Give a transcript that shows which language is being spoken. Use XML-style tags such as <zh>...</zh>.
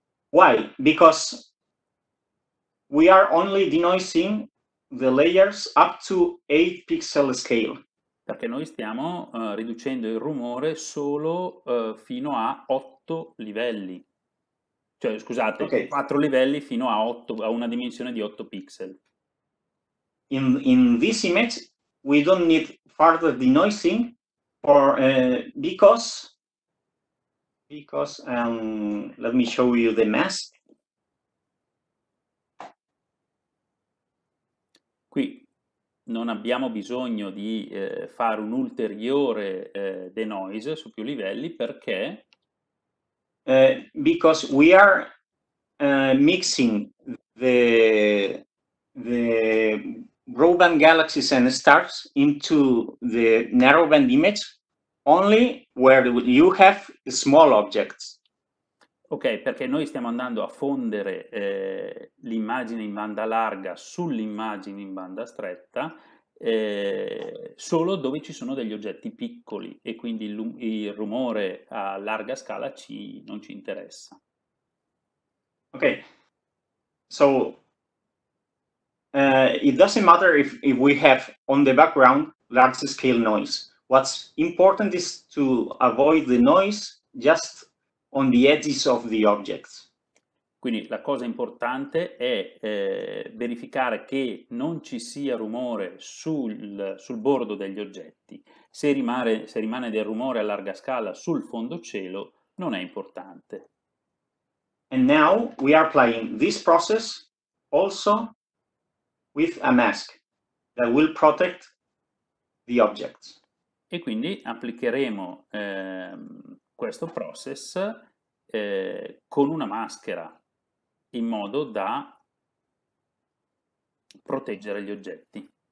<en>Why? Because we are only denoising the layers up to 8 pixel scale.</en> <it>Perché noi stiamo riducendo il rumore solo fino a 8 livelli. cioè scusate,</it> <en>Okay.</en> <it>quattro livelli fino a 8, a una dimensione di 8 pixel.</it> <en>In this image, we don't need further denoising for because let me show you the mask.</en> <it>Qui non abbiamo bisogno di fare un ulteriore denoise su più livelli perché</it> <en>Because we are mixing the broadband galaxies and stars into the narrowband image only where you have small objects.</en> <it>Ok, perché noi stiamo andando a fondere l'immagine in banda larga sull'immagine in banda stretta solo dove ci sono degli oggetti piccoli e quindi il rumore a larga scala non ci interessa.</it> <en>Ok, so it doesn't matter if we have on the background large scale noise. What's important is to avoid the noise just on the edges of the objects.</en> <it>Quindi la cosa importante è verificare che non ci sia rumore sul bordo degli oggetti. Se rimane del rumore a larga scala sul fondo cielo, non è importante.</it> <en>And now we are applying this process also with a mask that will protect the objects.</en> <it>E quindi applicheremo questo process con una maschera in modo da proteggere gli oggetti.</it>